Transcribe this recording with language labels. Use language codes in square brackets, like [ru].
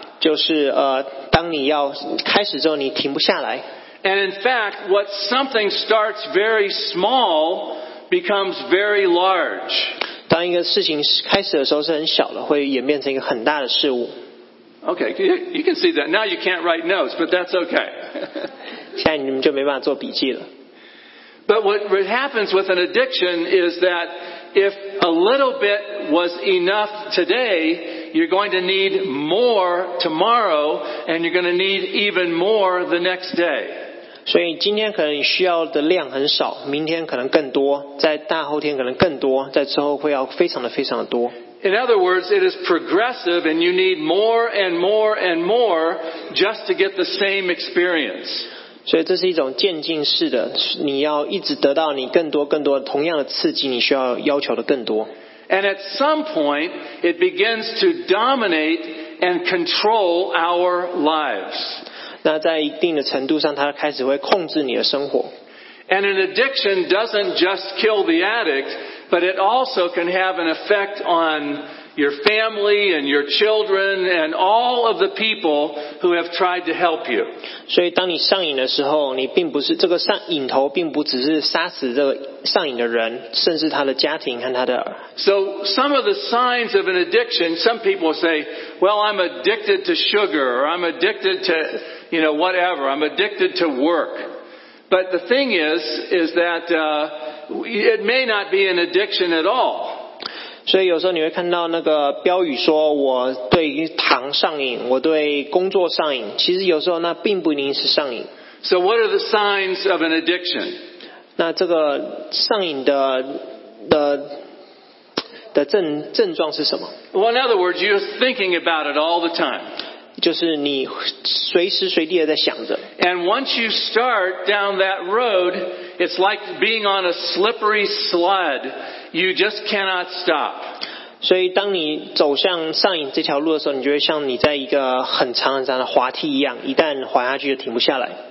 [zh] 就是当你要开始之后，你停不下来。 [en] And in fact, what something starts very small becomes very large. [zh] 当一个事情开始的时候是很小的，会演变成一个很大的事物。 [en] Okay, you can see that. Now you can't write notes, but that's okay. [zh] 现在你们就没办法做笔记了。 [en] But what happens with an addiction is that if a little bit was enough today, you're going to need more tomorrow, and you're going to need even more the next day. [zh] 所以今天可能你需要的量很少，明天可能更多，在大后天可能更多，在之后会要非常的非常的多。 [en] In other words, it is progressive, and you need more and more and more just to get the same experience. [zh] 所以这是一种渐进式的，你要一直得到你更多更多同样的刺激，你需要要求的更多。 [en] And at some point, it begins to dominate and control our lives. [zh] 那在一定的程度上，它开始会控制你的生活。 [en] And an addiction doesn't just kill the addict, but it also can have an effect on your family and your children and all of the people who have tried to help you. [zh] 所以当你上瘾的时候，你并不是这个上瘾头，并不只是杀死这个上瘾的人，甚至他的家庭和他的。 [en] So some of the signs of an addiction, some people say, "Well, I'm addicted to sugar, or I'm addicted to, you know, whatever. I'm addicted to work." But the thing is that it may not be an addiction at all. [zh] 所以有时候你会看到那个标语说我对糖上瘾，我对工作上瘾。其实有时候那并不一定是上瘾。 [en] So what are the signs of an addiction? [zh] 那这个上瘾的症状是什么？ [en] Well, in other words, you're thinking about it all the time. [zh] 就是你随时随地的在想着。 [en] And once you start down that road, it's like being on a slippery slide. You just cannot stop. [zh] 所以当你走向上瘾这条路的时候，你就会像你在一个很长很长的滑梯一样，一旦滑下去就停不下来。